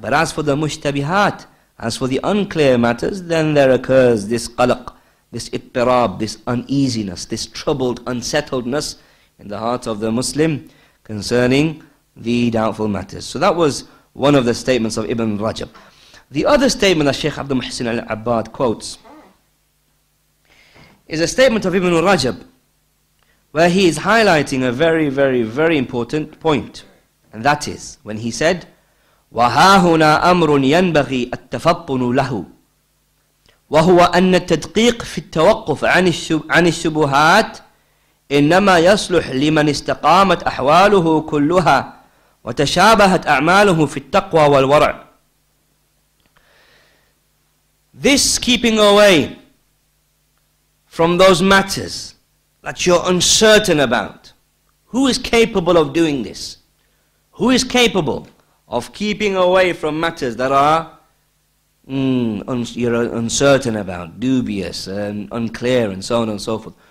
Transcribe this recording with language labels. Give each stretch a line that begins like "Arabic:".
English: But as for the mushtabihat, as for the unclear matters, then there occurs this qalaq, this ittirab, this uneasiness, this troubled, unsettledness in the heart of the Muslim concerning the doubtful matters. So that was one of the statements of Ibn Rajab. The other statement that Shaykh Abdul Muhsin Al-Abbad quotes is a statement of Ibn Rajab, where he is highlighting a very, very, very important point. And that is, when he said,
Arabic: وَهَاهُنَا أَمْرٌ يَنْبَغِي التَّفَطُّنُ لَهُ وَهُوَ أَنَّ التَّدْقِيقُ فِي التَّوَقُّفْ عَنِ الشُّبُهَاتِ إِنَّمَا يَصْلُحْ لِمَنِ اسْتَقَامَتْ أَحْوَالُهُ كُلُّهَا وَتَشَابَهَتْ أَعْمَالُهُ فِي التَّقْوَى وَالْوَرَعِ.
English: This keeping away from those matters that you're uncertain about. Who is capable of doing this? Who is capable of keeping away from matters that are you're uncertain about, dubious, and unclear, and so on and so forth?